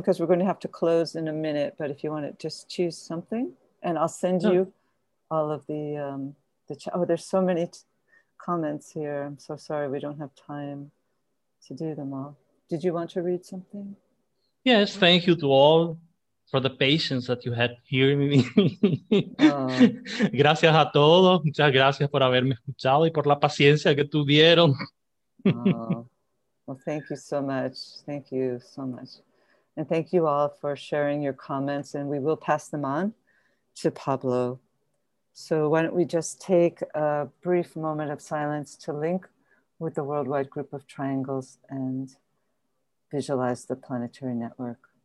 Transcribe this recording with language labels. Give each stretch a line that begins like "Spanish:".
English: Because we're going to have to close in a minute. But if you want to just choose something, and I'll send you all of the chat. Oh, there's so many comments here. I'm so sorry. We don't have time to do them all. Did you want to read something? Yes, thank you to all for the patience that you had hearing me.
Spanish: Gracias a todos. Muchas gracias por haberme escuchado y por la paciencia que tuvieron.
English: Well, thank you so much. Thank you so much. And thank you all for sharing your comments, and we will pass them on to Pablo. So why don't we just take a brief moment of silence to link with the worldwide group of triangles and visualize the planetary network.